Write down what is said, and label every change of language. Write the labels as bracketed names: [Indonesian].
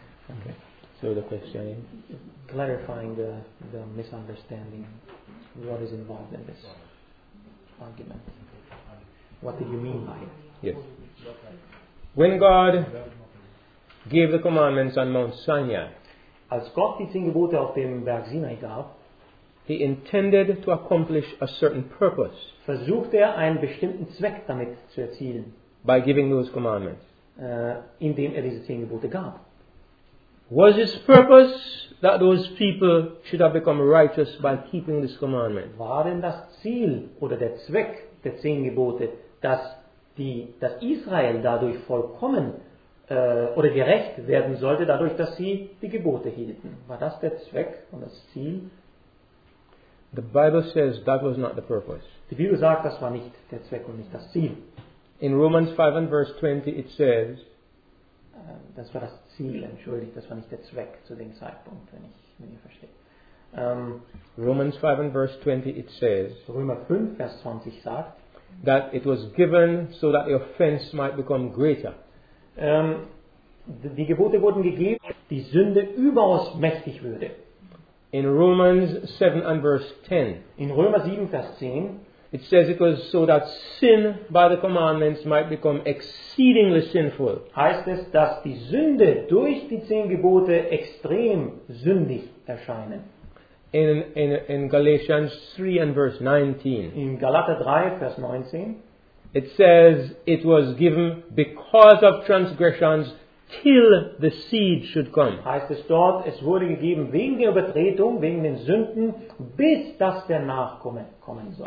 [English] Okay. So the question is clarifying the misunderstanding. What is involved in this argument? What did you mean by it? Yes. When God gave the commandments on Mount Sinai, [German] als Gott die zehn Gebote auf dem Berg Sinai gab, [English] he intended to accomplish a certain purpose. [German] Versuchte er einen bestimmten Zweck damit zu erzielen. [English] By giving those commandments. [German] Indem er diese zehn Gebote gab. [English] Was his purpose that those people should have become righteous by keeping this commandment? [German] War denn das Ziel oder der Zweck der zehn Gebote, dass Israel dadurch vollkommen oder gerecht werden sollte, dadurch, dass sie die Gebote hielten? War das der Zweck und das Ziel? [English] The Bible says that was not the purpose. [German] Die Bibel sagt, das war nicht der Zweck und nicht das Ziel. [English] In Romans 5 and verse 20 it says, [German] das war das Ziel, entschuldigt, das war nicht der Zweck zu dem Zeitpunkt, wenn ich verstehe. [English] Romans 5 and verse 20 it says, [German] Römer 5, Vers 20 sagt, [English] that it was given so that the offense might become greater. [German] Die Gebote wurden gegeben, die Sünde überaus mächtig würde. [English] In Romans 7 and verse 10, [German] in Römer 7, Vers 10, [English] it says it was so that sin by the commandments might become exceedingly sinful. [German] Heißt es, dass die Sünde durch die zehn Gebote extrem sündig erscheinen. [English] In Galatians 3 and verse 19. [German] In Galater 3, Vers 19. [English] It says it was given because of transgressions till the seed should come. [German] Heißt es dort, es wurde gegeben wegen der Übertretung, wegen den Sünden, bis dass der Nachkomme kommen soll.